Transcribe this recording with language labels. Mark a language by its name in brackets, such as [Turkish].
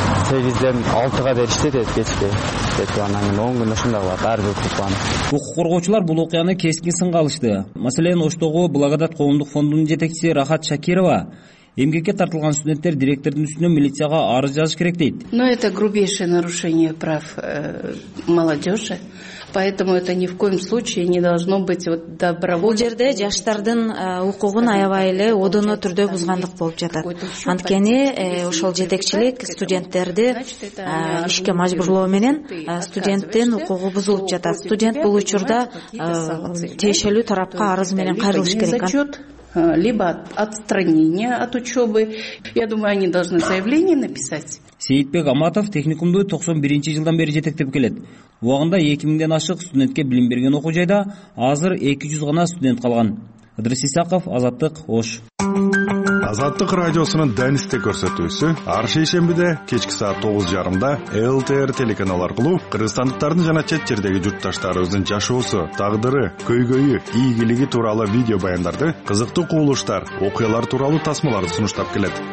[Kyrgyz] 8-ден 6-га дейин иштетет кечке. Кечке анан кийин 10 күн ушундай болот ар бир курбан. Укук коргоочулар бул окуяны кескин сынга алышты. Маселен Оштогу Благодат коомдук фондунун жетекчиси Рахат Шакирова эмгекке тартылган студенттер директордун үстүнө милицияга арыз жазыш керек дейт. [Russian] Но это грубейшее нарушение прав молодежи. Поэтому это ни в коем случае не должно быть вот добровольно. [Kyrgyz] Бул жерде жаштардын укугун аябай эле одоно түрдө бузгандык болуп жатат. Анткени ошол жетекчилик студенттерди ишке мажбурлоо менен студенттин укугу бузулуп жатат. Студент бул учурда тиешелүү тарапка арыз менен кайрылыш керек. [Russian] Либо отстранение от учебы. Я думаю, они должны заявление написать. [Kyrgyz] Сейитбек Аматов техникумду 91-ci жылдан бери жетектеп келет. Убагында 2000-ден ашык студентке билим берген окуу жайда азыр 200 гана студент калган. Адрес Исаков, Азаттык, Ош. Азаттык радиосунун Денисте көрсөтүүсү ар шейшембиде кечки саат 9:30 ЛТР телеканал аркылуу кыргызстандыктардын жана чет жердеги журтташтарыбыздын жашоосу, тагдыры, көйгөйү, ийгилиги тууралуу видео баяндарды, кызыктуу кубулуштар, окуялар тууралуу тасмаларды сунуштап келет.